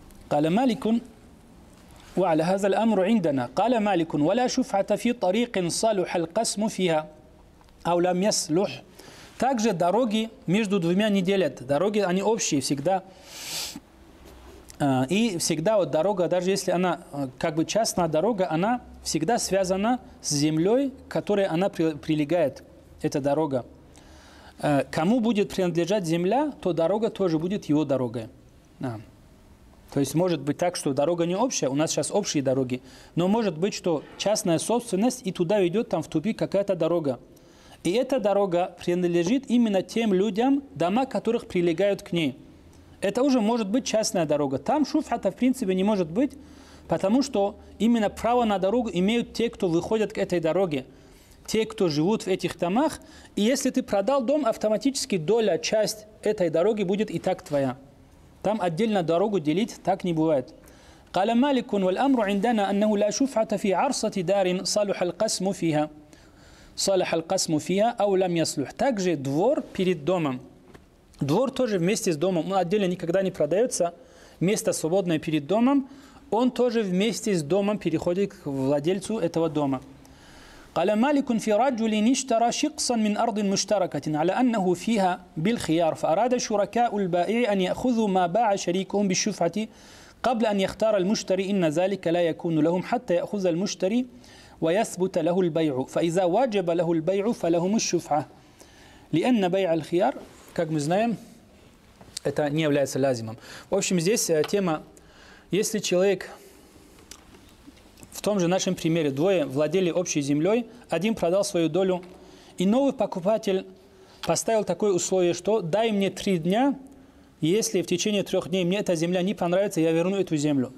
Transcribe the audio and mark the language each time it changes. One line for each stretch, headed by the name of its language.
Arabic: قال مالك وعلى هذا الأمر عندنا قال مالك ولا شفعة في طريق صالح القسم فيها أو لم يصلح.
Russian: Также дороги между двумя не делят. Дороги они общие всегда. И всегда вот дорога, даже если она как бы частная дорога, она всегда связана с землей, которой она прилегает, эта дорога. Кому будет принадлежать земля, то дорога тоже будет его дорогой. То есть может быть так, что дорога не общая, у нас сейчас общие дороги, но может быть, что частная собственность, и туда ведет там в тупик какая-то дорога. И эта дорога принадлежит именно тем людям, дома которых прилегают к ней. Это уже может быть частная дорога. Там шуфхата в принципе не может быть, потому что именно право на дорогу имеют те, кто выходят к этой дороге, те, кто живут в этих домах. И если ты продал дом, автоматически доля, часть этой дороги будет и так твоя. Там отдельно дорогу делить так не бывает.
Arabic: قال مالك والأمر عندنا أنه لا شفعة في عرصة دار صالح القسم فيها صالح القسم فيها أو لم يصلح.
Russian: Также двор перед домом. Двор тоже вместе с домом. Он отдельно никогда не продается. Место свободное перед домом. Он тоже вместе с домом переходит к владельцу этого дома.
Arabic: قال مالك في رجل اشترى شقصا من أرض مشتركة على أنه فيها بالخيار فأراد شركاء البائع أن يأخذوا ما باع شريكهم بالشفعة قبل أن يختار المشتري إن ذلك لا يكون لهم حتى يأخذ المشتري ويثبت له البيع فإذا واجب له البيع فلهم الشفعة لأن بيع الخيار
Russian: как мы знаем это не является лазимом. В общем, здесь тема, если человек в том же нашем примере двое владели общей землей, один продал свою долю, и новый покупатель поставил такое условие, что дай мне 3 дня, если в течение 3 дней мне эта земля не понравится, я верну эту землю.